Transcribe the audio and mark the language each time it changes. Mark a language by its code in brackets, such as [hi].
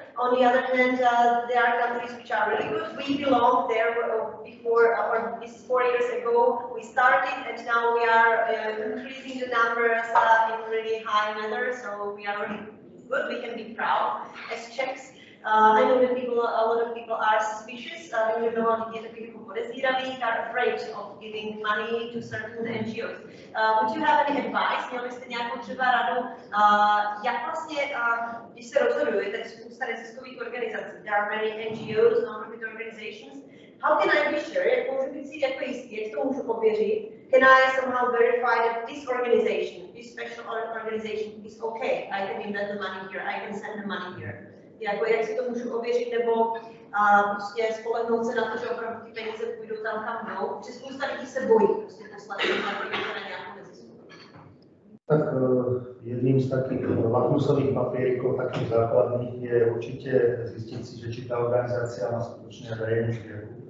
[en] On the other hand, there are countries which are really good. We belong there before, or this is 4 years ago we started, and now we are increasing the numbers in really high manner. So we are really good. We can be proud as Czechs. I know that a lot of people are suspicious. You know, people are afraid of giving money to certain NGOs. Would you have any advice? [cs] Měli byste nějakou třeba radu? Jak vlastně, když se rozhoduje, tak spousta neziskových organizací, [en] there are many NGOs, non-profit organizations. How can I be sure? [cs] Jak můžu být si jako jistý, jak to můžu pověřit? [en] Can I somehow verify that this organization, this special organization is okay? I can invest the money here, I can send the money here. [cs] Jako jak si to můžu ověřit, nebo prostě spolehnout se na to, že opravdu ty peníze půjdou tam, kam jdou. Že spousta lidí se bojí prostě poslat to na nějakou nezisku. Tak jedním z takových lakmusových papíriků, takových základních, je určitě zjistit si, že či ta organizace má skutečně zájem k věru.